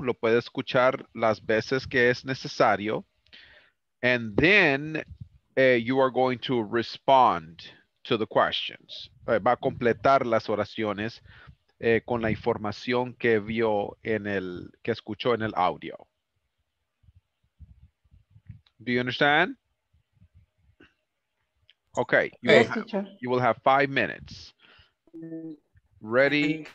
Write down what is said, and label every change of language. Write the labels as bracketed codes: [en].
[es] Lo puede escuchar las veces que es necesario. [en] And then you are going to respond to the questions. [es] Va a completar las oraciones con la información que vio en el, que escuchó en el audio. [en] Do you understand? Okay. You, yes, teacher. You will have 5 minutes. Ready?